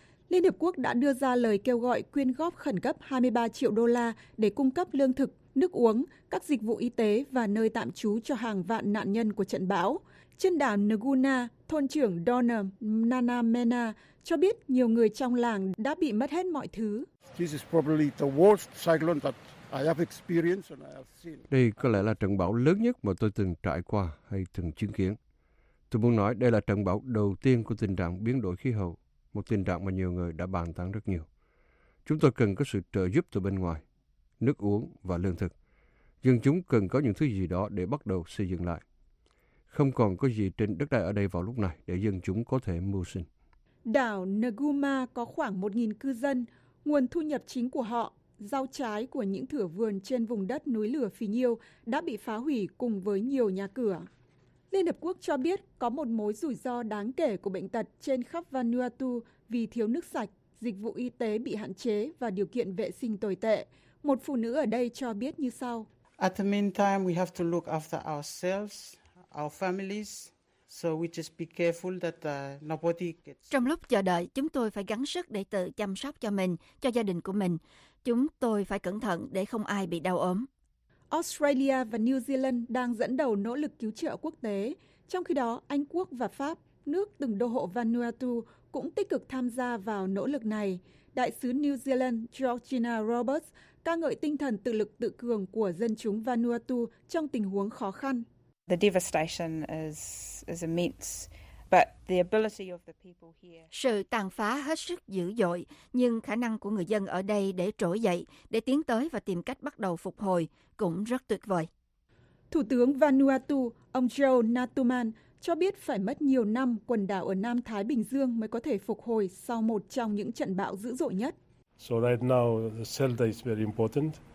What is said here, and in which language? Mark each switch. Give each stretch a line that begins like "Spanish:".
Vietnamese: Liên Hợp Quốc đã đưa ra lời kêu gọi quyên góp khẩn cấp 23 triệu đô la để cung cấp lương thực, nước uống, các dịch vụ y tế và nơi tạm trú cho hàng vạn nạn nhân của trận bão. Trên đảo Nguna, thôn trưởng Donna Nanamena cho biết nhiều người trong làng đã bị mất hết mọi thứ.
English: This is probably the worst cyclone that I have experienced and I have seen.
Vietnamese: Đây có lẽ là trận bão lớn nhất mà tôi từng trải qua hay từng chứng kiến. Tôi muốn nói đây là trận bão đầu tiên của tình trạng biến đổi khí hậu, một tình trạng mà nhiều người đã bàn tán rất nhiều. Chúng tôi cần có sự trợ giúp từ bên ngoài, nước uống và lương thực. Dân chúng cần có những thứ gì đó để bắt đầu xây dựng lại. Không còn có gì trên đất đai ở đây vào lúc này để dân chúng có thể mưu sinh. Đảo Nguma có khoảng 1.000 cư dân. Nguồn thu nhập chính của họ, rau trái của những thửa vườn trên vùng đất núi lửa phì nhiêu đã bị phá hủy cùng với nhiều nhà cửa. Liên Hợp Quốc cho biết có một mối rủi ro đáng kể của bệnh tật trên khắp Vanuatu vì thiếu nước sạch, dịch vụ y tế bị hạn chế và điều kiện vệ sinh tồi tệ. Một phụ nữ ở đây cho biết như sau.
English: At the meantime, we have to look after ourselves, our families. So we just be careful that nobody gets...
Vietnamese: Trong lúc chờ đợi, chúng tôi phải gắng sức để tự chăm sóc cho mình, cho gia đình của mình. Chúng tôi phải cẩn thận để không ai bị đau ốm. Australia và New Zealand đang dẫn đầu nỗ lực cứu trợ quốc tế. Trong khi đó, Anh Quốc và Pháp, nước từng đô hộ Vanuatu, cũng tích cực tham gia vào nỗ lực này. Đại sứ New Zealand Georgina Roberts ca ngợi tinh thần tự lực tự cường của dân chúng Vanuatu trong tình huống khó khăn.
English: The devastation is immense, but the ability of the people here.
Vietnamese: Sự tàn phá hết sức dữ dội, nhưng khả năng của người dân ở đây để trỗi dậy, để tiến tới và tìm cách bắt đầu phục hồi cũng rất tuyệt vời. Thủ tướng Vanuatu, ông Joe Natuman, cho biết phải mất nhiều năm quần đảo ở Nam Thái Bình Dương mới có thể phục hồi sau một trong những trận bão dữ dội nhất.
English: So right now, the shelter is very important.